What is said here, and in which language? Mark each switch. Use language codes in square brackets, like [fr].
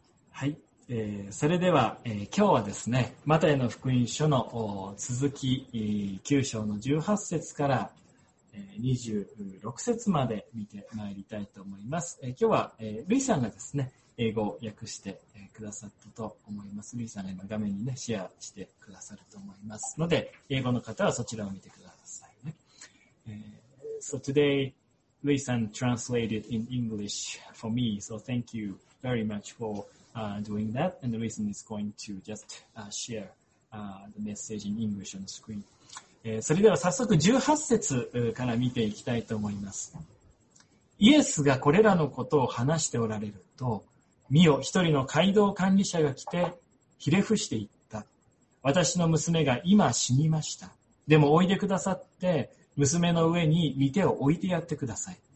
[ja] はい、それでは、今日はですね、マタイの福音書の続き、9章の18節から26節まで見てまいりたいと思います。今日は、ルイさんがですね、英語を訳してくださったと思います。ルイさんが今画面に、ね、シェアしてくださると思いますので、英語の方はそちらを見てくださいね。 [en] So today, Lui san translated in English for me, so thank you very much for doing that. And Lui san is going to just share the message in English on the screen. [ja] それでは早速18節から見ていきたいと思います。イエスがこれらのことを話しておられると、見よ、一人の街道管理者が来て、ひれ伏していった。私の娘が今死にました。でもおいでくださって、娘の上に御手を置いてやってください。